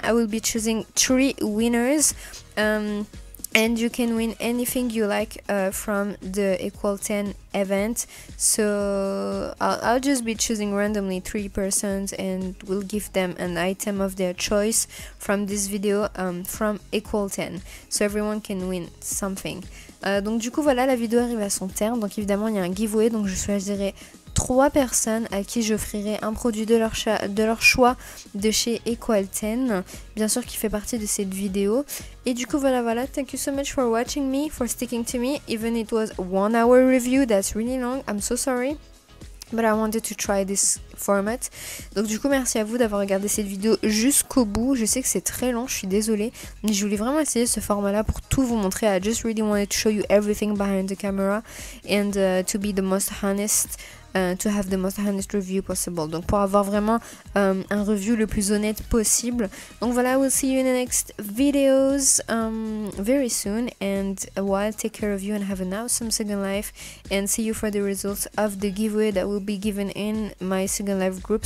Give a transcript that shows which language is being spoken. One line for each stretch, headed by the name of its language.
English: I will be choosing 3 winners. And you can win anything you like from the Equal10 event. So I'll just be choosing randomly 3 persons and we'll give them an item of their choice from this video from Equal10. So everyone can win something.
French: Donc du coup voilà, la vidéo arrive à son terme. Donc évidemment il y a un giveaway, donc je choisirai 3 personnes à qui j'offrirai un produit de leur choix de chez Equal10, bien sûr qui fait partie de cette vidéo. Et du coup voilà voilà,
English: thank you so much for watching me, for sticking to me, even it was 1 hour review, that's really long, I'm so sorry, but I wanted to try this format.
French: Donc du coup merci à vous d'avoir regardé cette vidéo jusqu'au bout, je sais que c'est très long, je suis désolée, mais je voulais vraiment essayer ce format là pour tout vous montrer.
English: I just really wanted to show you everything behind the camera and to be the most honest. To have the most honest review possible.
French: Donc pour avoir vraiment un review le plus honnête possible. Donc voilà,
English: I will see you in the next videos very soon. And while take care of you and have an awesome second life. And see you for the results of the giveaway that will be given in my second life group.